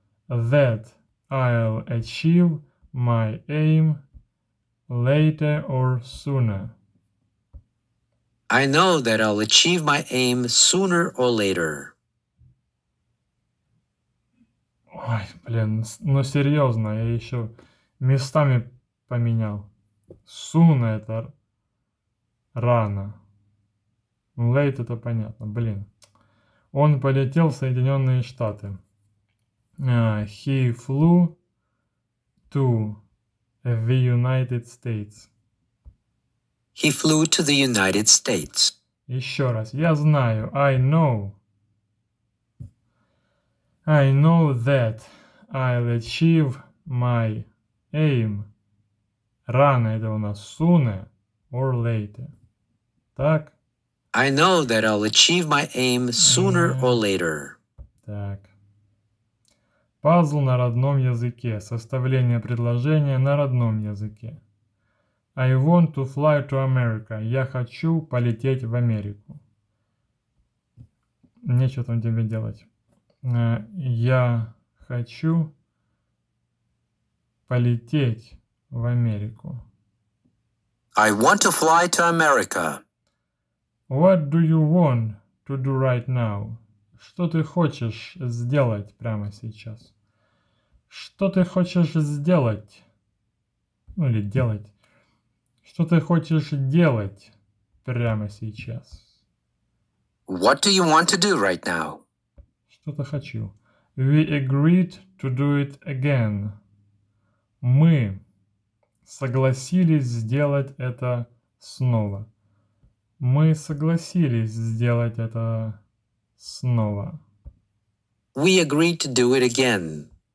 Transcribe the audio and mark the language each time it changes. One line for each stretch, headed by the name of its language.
English: That I'll achieve my aim later or sooner. I know that I'll achieve my aim sooner or later.
Russian: Ой, блин, ну серьезно, я еще местами поменял. Суна это рано. Лейт это понятно, блин. Он полетел в Соединенные Штаты.
English: He flew to the United States. He flew to the United States.
Russian: Еще раз, я знаю,
English: I know that I'll achieve my aim.
Russian: Рано это у нас
English: sooner or later.
Russian: Так?
English: I know that I'll achieve my aim sooner or later.
Russian: Так. Пазл на родном языке. Составление предложения на родном языке.
English: I want to fly to America.
Russian: Я хочу полететь в Америку. Нечего там тебе делать. Я хочу полететь в Америку.
English: I want to fly to America. What do you want to do right now?
Russian: Что ты хочешь сделать прямо сейчас? Что ты хочешь сделать? Ну или делать. Что ты хочешь делать прямо сейчас?
English: What do you want to do right now?
Russian: Что-то хочу.
English: We agreed to do it again.
Russian: Мы согласились сделать это снова. Мы согласились сделать это снова.
English: We agreed to do it again.